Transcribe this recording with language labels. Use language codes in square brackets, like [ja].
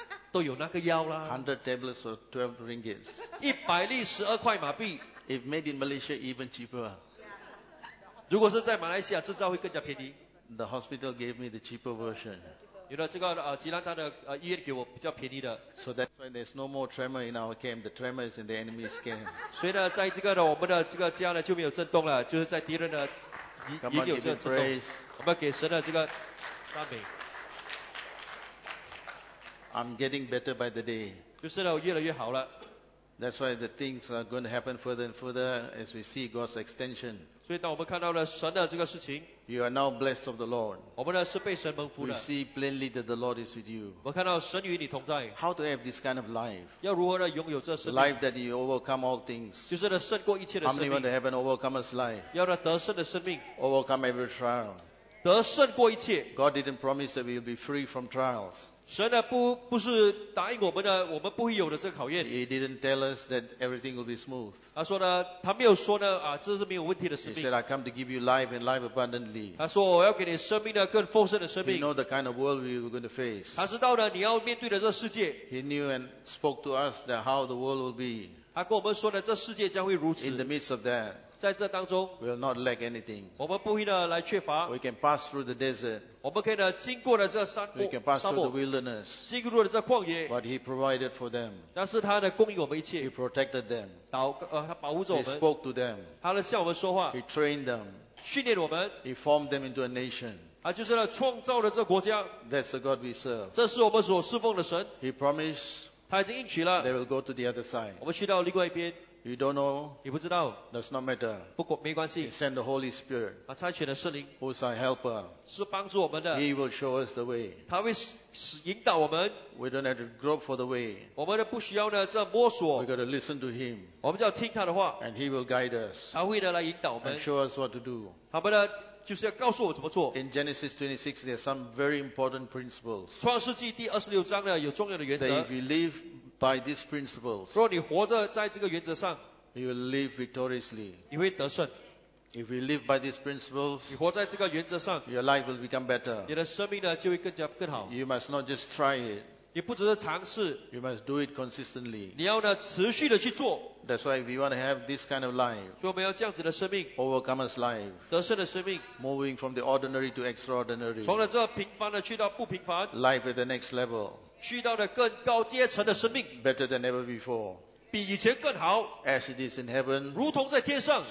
[zh] 都有那个药啦 [en] 100 tablets or 12 ringgits [zh] 100粒12块马币 [en] if made in Malaysia even cheaper [zh] 如果是在马来西亚制造会更加便宜 [en] the hospital gave me the cheaper version [zh] 有了这个吉兰丹的医院给我比较便宜的 [en] so that's why there's no more tremor in our camp the tremor is in the enemy's camp [zh] 所以呢在这个我们的这个家呢就没有震动了 就是在敌人的已有这个震动 我们给神的这个赞美 [en] I'm getting better by the day. [zh] 就是呢,越来越好了。 [en] That's why the things are going to happen further and further as we see God's extension. [zh] 所以当我们看到了神的这个事情, [en] you are now blessed of the Lord. [zh] 我们呢,是被神蒙福的。 [en] We see plainly that the Lord is with you. [zh] 我看到神与你同在。 [en] How to have this kind of life? [zh] 要如何呢,拥有这生命? [en] Life that you overcome all things. [zh] 就是呢,胜过一切的生命。 [en] How many want to have an overcomer's life? [zh] 要得胜的生命。 [en] Overcome every trial. [zh] 得胜过一切。 [en] God didn't promise that we will be free from trials. [zh] 神呢不是答应我们的，我们不会有的这个考验。 [en] He didn't tell us that everything will be smooth. [zh] 他说呢，他没有说呢，啊，这是没有问题的生命。 [en] He said, "I come to give you life and life abundantly." [zh] 他说，我要给你生命呢，更丰盛的生命。 [en] He knew the kind of world we were going to face. [zh] 他知道呢，你要面对的这个世界。 [en] He knew and spoke to us that how the world will be. [zh] 他跟我们说的，这世界将会如此。 [en] In the midst of that, [zh] 在这当中 [en] we will not lack anything. [zh] 我们不会呢来缺乏。 [en] We can pass through the desert. [zh] 我们可以呢经过了这沙漠。 [en] We can pass through the wilderness. [zh] 经过了这旷野。 [en] But he provided for them. [zh] 但是他呢供应我们一切。 [en] He protected them. [zh] 他保护着我们。 [en] He spoke to them. [zh] 他呢向我们说话。 [en] He trained them. [zh] 训练我们。 [en] He formed them into a nation. [zh] 啊，就是呢，创造了这国家。 [en] That's the God we serve. [zh] 这是我们所侍奉的神。 [en] He promised. [zh] 他已经应许了。 [en] They will go to the other side. [zh] 我们去到另外一边。 [en] You don't know. [zh] 你不知道。 [en] Does not matter. [zh] 不过没关系。 [en] He sent the Holy Spirit. [zh] 他差遣了圣灵。 [en] Who is our helper? [zh] 是帮助我们的。 [en] He will show us the way. [zh] 他会引导我们。 [en] We don't have to grope for the way. [zh] 我们不需要呢这摸索。 [en] We got to listen to him. [zh] 我们就要听他的话。 [en] And he will guide us. [zh] 他会来引导我们。 [en] And show us what to do. [zh] 他们呢。就是要告诉我怎么做。 [en] In Genesis 26, there are some very important principles. [zh] 创世纪第二十六章呢有重要的原则。 [en] That if you live by these principles, [zh] 若你活着在这个原则上， [en] you will live victoriously. [zh] 你会得胜。 [en] If you live by these principles, [zh] 你活在这个原则上， [en] your life will become better. [zh] 你的生命呢就会更好。 [en] You must not just try it. [zh] 你不只是尝试。 [en] You must do it consistently. [zh] 你要呢持续的去做。 [en] That's why we want to have this kind of life. [zh] 所以我们要这样子的生命。 [en] Overcomer's life. [zh] 得胜的生命。 [en] Moving from the ordinary to extraordinary. [zh] 从了这平凡的去到不平凡。 [en] Life at the next level. [zh] 去到了更高阶层的生命。 [en] Better than ever before. [zh] 比以前更好。 [en] As it is in heaven. [zh] 如同在天上。